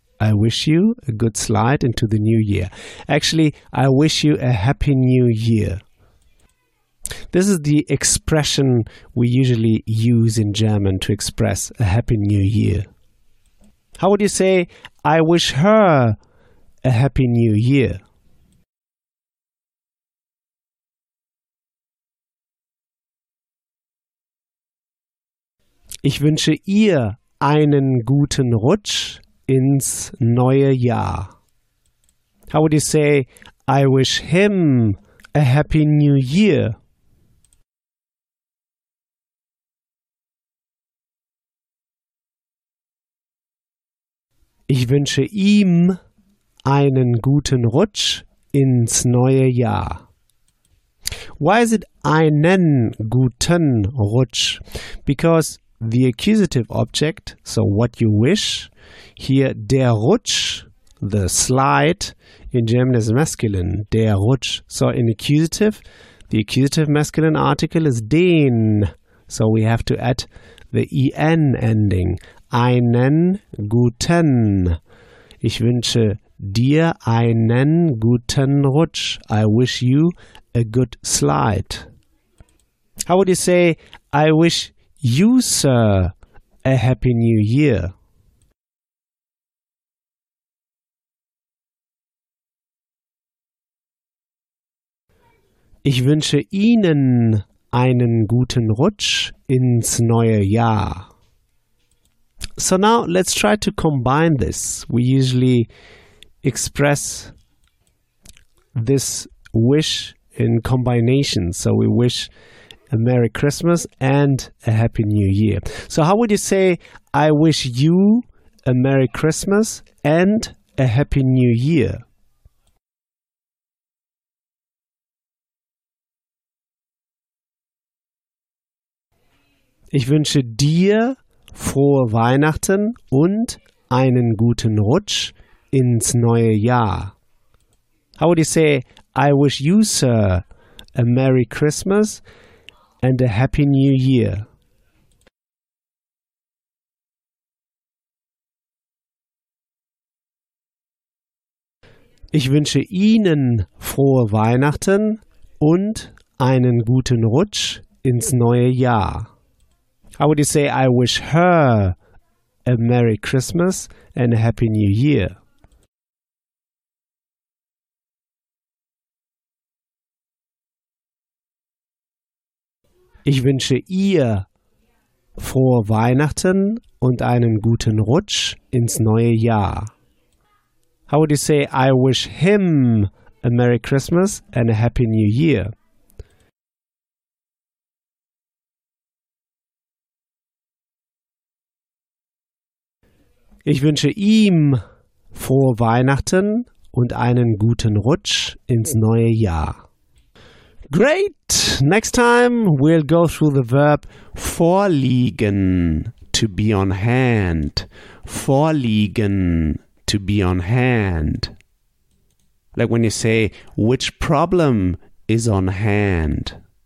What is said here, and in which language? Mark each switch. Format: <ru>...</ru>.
<en>I wish you a good slide into the new year. Actually, I wish you a happy new year. This is the expression we usually use in German to express a happy new year. How would you say, I wish her a happy new year?</en> <de>Ich wünsche ihr einen guten Rutsch ins neue Jahr.</de> <en>How would you say, I wish him a happy new year?</en> <de>Ich wünsche ihm einen guten Rutsch ins neue Jahr.</de> <en>Why is it</en> <de>einen guten Rutsch?</de> <en>Because the accusative object, so what you wish, here der Rutsch The slide in German is masculine, der Rutsch. So in accusative, the accusative masculine article is den. So we have to add the en ending.</en> <de>Einen guten. Ich wünsche dir einen guten Rutsch.</de> <en>I wish you a good slide. How would you say, I wish you, sir, a happy new year?</en> <de>Ich wünsche Ihnen einen guten Rutsch ins neue Jahr.</de> <en>So now let's try to combine this. We usually express this wish in combination. So we wish a Merry Christmas and a Happy New Year. So how would you say, I wish you a Merry Christmas and a Happy New Year?</en> <de>Ich wünsche dir frohe Weihnachten und einen guten Rutsch ins neue Jahr.</de> <en>How would you say, I wish you, sir, a Merry Christmas and a Happy New Year?</en> <de>Ich wünsche Ihnen frohe Weihnachten und einen guten Rutsch ins neue Jahr.</de> <en>How would you say, I wish her a Merry Christmas and a Happy New Year?</en> <de>Ich wünsche ihr frohe Weihnachten und einen guten Rutsch ins neue Jahr.</de> <en>How would you say, I wish him a Merry Christmas and a Happy New Year?</en> <de>Ich wünsche ihm frohe Weihnachten und einen guten Rutsch ins neue Jahr.</de> <en>Great! Next time we'll go through the verb vorliegen, to be on hand. Vorliegen, to be on hand. Like when you say, which problem is on hand?</en>